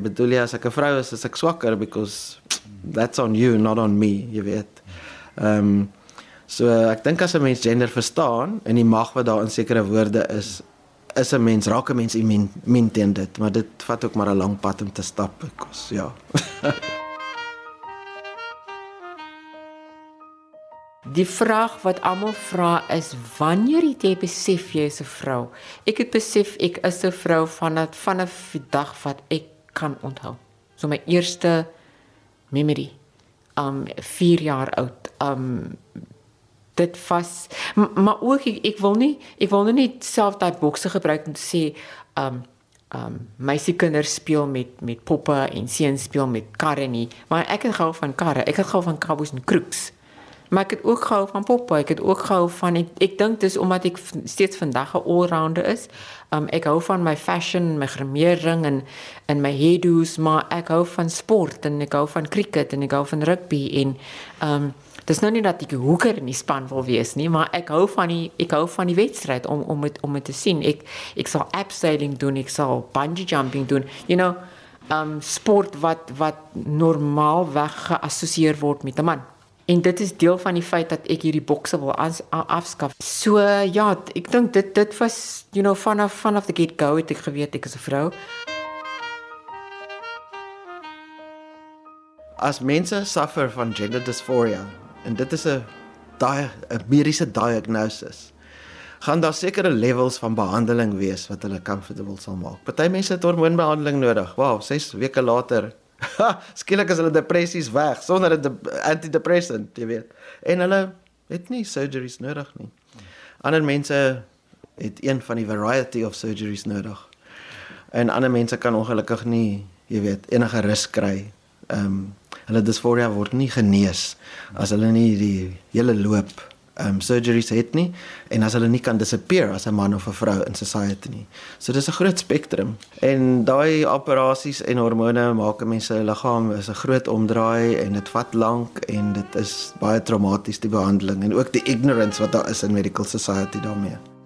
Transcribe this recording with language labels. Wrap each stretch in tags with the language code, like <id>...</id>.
<af>Bedoel jy as ek 'n vrou is, is ek swakker</af> <en>because that's on you, not on me,</en> <af>jy weet. So ek dink as 'n mens gender verstaan en die mag wat daar in sekere woorde is, is 'n mens, raak 'n mens immuun teen dit, maar dit vat ook maar 'n lang pad om te stap, kos, ja. Die vraag wat almal vra is, wanneer het jy besef jy is 'n vrou? Ek het besef ek is 'n vrou vanaf die dag wat ek kan onthou. So my eerste memory, 4 jaar oud, dit was, maar ook, ek wil nie self die bokse gebruik om te sê, meisie kinders speel met poppe en seuns speel met karre nie, maar ek het gehou van karre, ek het gehou van kabos en kroeks, maar ek het ook gehou van poppe, ek het ook gehou van, ek dink dis omdat ek steeds vandag 'n allrounder is, ek hou van my fashion, my grimeering en my hairdos, maar ek hou van sport en ek hou van cricket en ek hou van rugby en, dis nou nie dat ek hoeker in die span wil wees nie, maar ek hou van die wedstrijd om het te sien. Ek sal abseiling doen, ek sal bungee jumping doen.</af> <en>You know,</en> <af>sport wat normaal weg geassocieer word met 'n man. En dit is deel van die feit dat ek hierdie bokse wil afskaf. So ja, ek dink dit was,</af> <en>you know,</en> <af>vanaf</af> <en>the get-go</en> <af>het ek geweet ek is 'n vrou. As mense suffer van gender dysphoria, en dit is 'n mediese diagnosis, gaan daar sekere levels van behandeling wees wat hulle comfortable sal maak. Party mense het hormoonbehandeling nodig. Wow, 6 weke later, skielik is hulle depressies weg, sonder 'n antidepressant, jy weet. En hulle het nie surgeries nodig nie. Ander mense het een van die variety of surgeries nodig. En ander mense kan ongelukkig nie, jy weet, enige rus kry. Hulle dysphoria word nie genees as hulle nie die hele loop surgeries het nie en as hulle nie kan disappear as 'n man of 'n vrou in society nie. So dis 'n groot spektrum en daai operasies en hormone maak 'n mens se liggaam is 'n groot omdraai en dit vat lank en dit is baie traumaties die behandeling en ook die ignorance wat daar is in</af> <en>medical society</en> <af>daarmee.</af>